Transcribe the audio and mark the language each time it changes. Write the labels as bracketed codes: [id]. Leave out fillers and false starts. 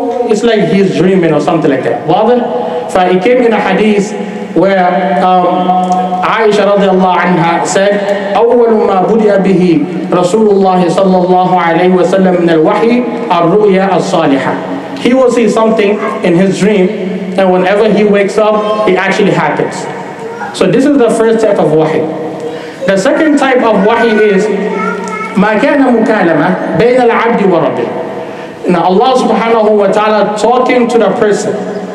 [en] It's like he's dreaming or something like that. So it came in a hadith where Aisha radiallahu anha said, [ar] أول ما بدأ به رسول الله صلى الله عليه وسلم من الوحي الرؤيا الصالحة. [en] He will see something in his dream, and whenever he wakes up, it actually happens. So this is the first type of wahi. The second type of wahi is [ar] ما كان مكالمة بين العبد وربه. [en] Now Allah subhanahu wa ta'ala talking to the person.